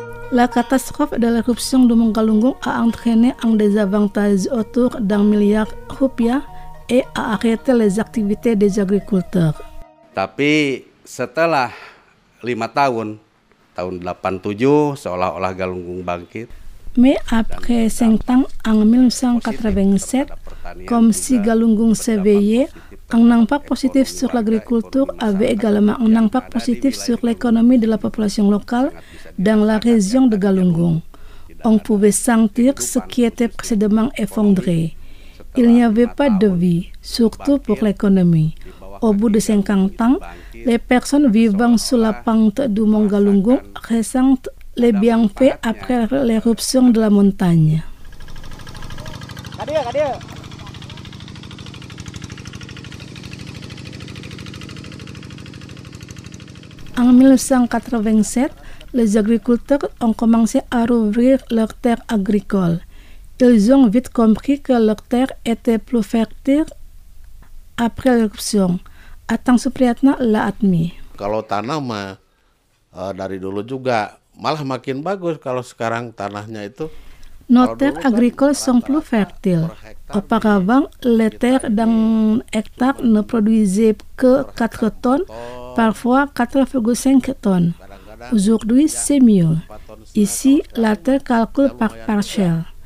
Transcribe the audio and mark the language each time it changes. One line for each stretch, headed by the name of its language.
French: La catastrophe de l'éruption de Mangalungung a entraîné un désavantage autour d'un milliard de rupiah et a arrêté les activités des agriculteurs.
Indonesian: Tapi setelah 5 tahun, tahun 87, seolah-olah Galunggung bangkit.
French: Mais après 5 ans, en 1987, comme si Galunggung s'éveillait, un impact positif sur l'agriculture avait également un impact positif sur l'économie de la population locale dans la région de Galunggung. On pouvait sentir ce qui était précédemment effondré. Il n'y avait pas de vie, surtout pour l'économie. Au bout de 50 ans, Les personnes vivant sur la pente du Mont Galunggung ressentent les bienfaits après l'éruption de la montagne. En 1987, les agriculteurs ont commencé à rouvrir leurs terres agricoles. Ils ont vite compris que leurs terres étaient plus fertiles après l'éruption. Atang Supriyatna l'a admis.
Indonesian: Kalau tanah mah dari dulu juga malah makin bagus kalau sekarang tanahnya itu.
French: Nos terres agricoles sont plus fertiles. Auparavant, les terres d'un hectare ne produisaient que 4 tonnes, parfois 4,5 tonnes. Aujourd'hui, c'est mieux. Ici, la terre calcule par parcelle.